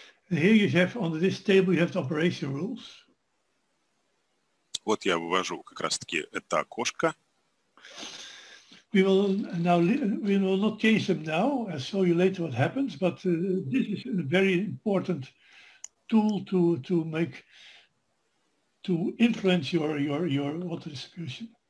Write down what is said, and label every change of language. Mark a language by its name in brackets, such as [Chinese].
[English] Here you have, on this table you have the operation rules. [Russian] Вот я вывожу как раз-таки это окошко. [English] We will not change them now, I'll show you later what happens, but this is a very important tool to influence your water distribution.